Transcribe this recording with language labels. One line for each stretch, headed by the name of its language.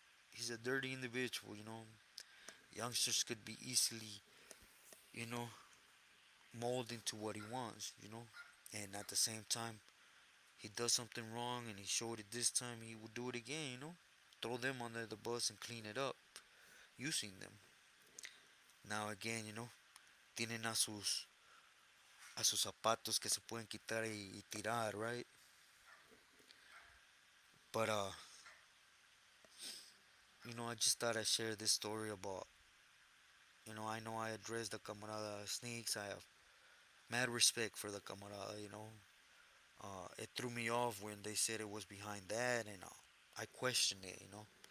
English: He's a dirty individual, you know. Youngsters could be easily, you know, molded into what he wants, you know, and at the same time. He does something wrong and he showed it this time, he would do it again, you know? Throw them under the bus and clean it up using them. Now again, you know,
Spanish: tienen a sus zapatos que se pueden quitar y tirar,
English: right? But you know, I just thought I'd share this story about, you know I addressed the camarada Sneaks. I have mad respect for the camarada, you know. It threw me off when they said it was behind that, and I questioned it, you know.